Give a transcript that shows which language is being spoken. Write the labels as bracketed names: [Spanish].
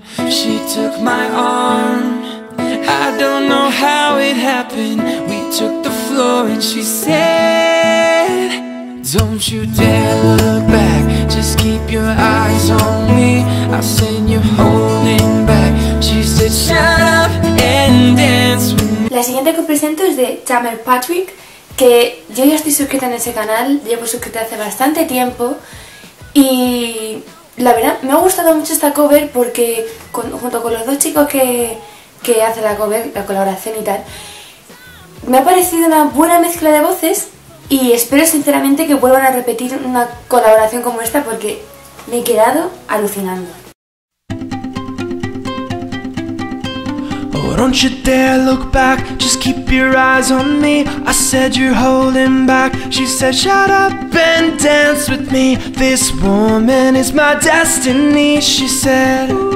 [English] She took my arm, I don't know how it happened. We took the floor and she said, don't you dare look back, just keep your eyes on me. I said, you're holding back. She said, shut up and dance with me. [Spanish] La siguiente que presento es de Tamer Patrick, que yo ya estoy suscrita en ese canal, llevo suscrita hace bastante tiempo y la verdad me ha gustado mucho esta cover porque junto con los dos chicos que hace la cover, la colaboración y tal, me ha parecido una buena mezcla de voces y espero sinceramente que vuelvan a repetir una colaboración como esta porque me he quedado alucinando. [English] Oh, don't you dare look back, just keep your eyes on me. I said you're holding back, she said shut up and dance with me. This woman is my destiny, she said.